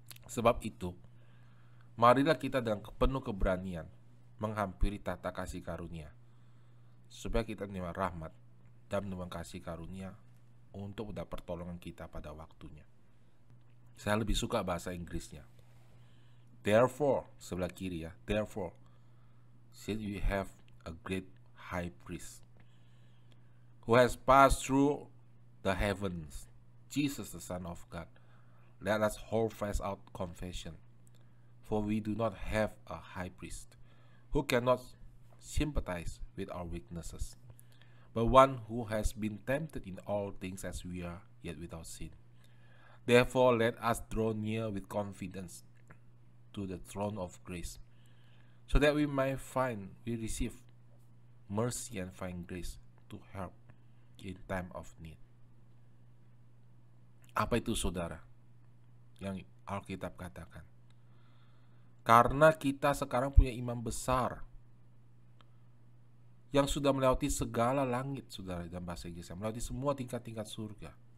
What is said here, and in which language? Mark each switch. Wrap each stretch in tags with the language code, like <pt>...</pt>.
<id>Sebab itu, marilah kita dengan penuh keberanian menghampiri tahta kasih karunia, supaya kita menerima rahmat dan menerima kasih karunia untuk mendapat pertolongan kita pada waktunya. Saya lebih suka bahasa Inggrisnya.</id> <en>Therefore,</en> <id>sebelah kiri ya,</id> <en>therefore, since we have a great high priest who has passed through the heavens, Jesus the Son of God, let us hold fast our confession. For we do not have a high priest who cannot sympathize with our weaknesses, but one who has been tempted in all things as we are, yet without sin. Therefore, let us draw near with confidence to the throne of grace, so that we receive mercy and find grace to help in time of need.</en> <id>Apa itu, saudara, yang Alkitab katakan? Karena kita sekarang punya imam besar yang sudah melewati segala langit, saudara, dalam bahasa Inggris, melewati semua tingkat-tingkat surga.</id>